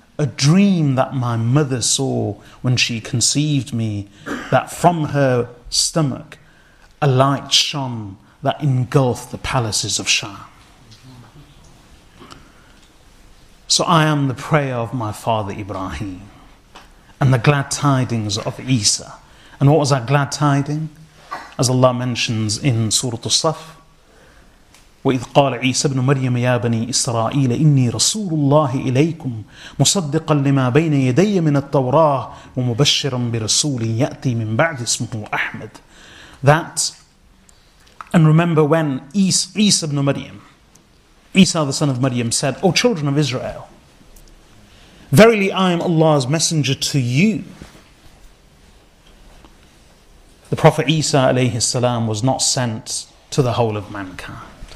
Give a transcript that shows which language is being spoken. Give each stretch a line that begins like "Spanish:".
English: A dream that my mother saw when she conceived me, that from her stomach a light shone that engulfed the palaces of Shah. So I am the prayer of my father Ibrahim and the glad tidings of Isa. And what was that glad tiding? As Allah mentions in Surah As-Saff,
Arabic: وَإِذْ قَالَ عِيسَى بْنُ مَرْيَمَ يَا بَنِي إِسْرَائِيلَ إِنِّي رَسُولُ اللَّهِ إِلَيْكُمْ مُصَدِّقًا لِمَا بَيْنَ يَدَيَّ مِنَ التَّوْرَاةِ وَمُبَشِّرًا بِرَسُولٍ يَأْتِي مِنْ بَعْدِ اسْمُهُ أَحْمَدٍ.
English: That, and remember when Isa ibn Maryam, Isa the son of Maryam, said, O children of Israel, verily I am Allah's messenger to you. The Prophet Isa alayhi salam was not sent to the whole of mankind.